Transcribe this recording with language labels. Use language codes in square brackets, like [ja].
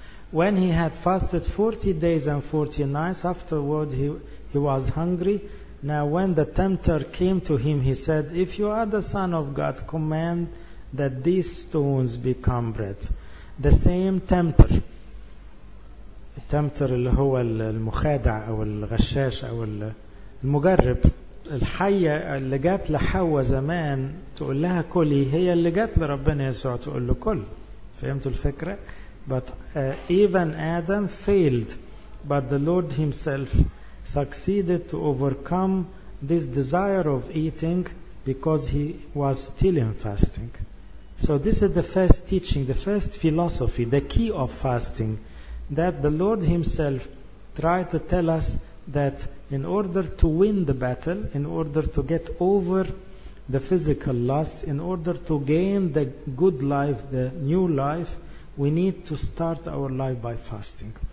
[en] When he had fasted 40 days and 40 nights, afterward he was hungry. Now when the tempter came to him, he said, if you are the Son of God, command that these stones become bread. The same tempter. [ar] التمتر اللي هو المخادع أو الغشاش أو المجرب. الحية اللي جات لحواء زمان تقول لها كلي, هي اللي جات لربنا يسوع تقول له كل. فهمتوا الفكرة؟ [en] But even Adam failed, but the Lord himself succeeded to overcome this desire of eating because he was still in fasting. So this is the first teaching, the first philosophy, the key of fasting, that the Lord himself tried to tell us that in order to win the battle, in order to get over the physical lust, in order to gain the good life, the new life, we need to start our life by fasting.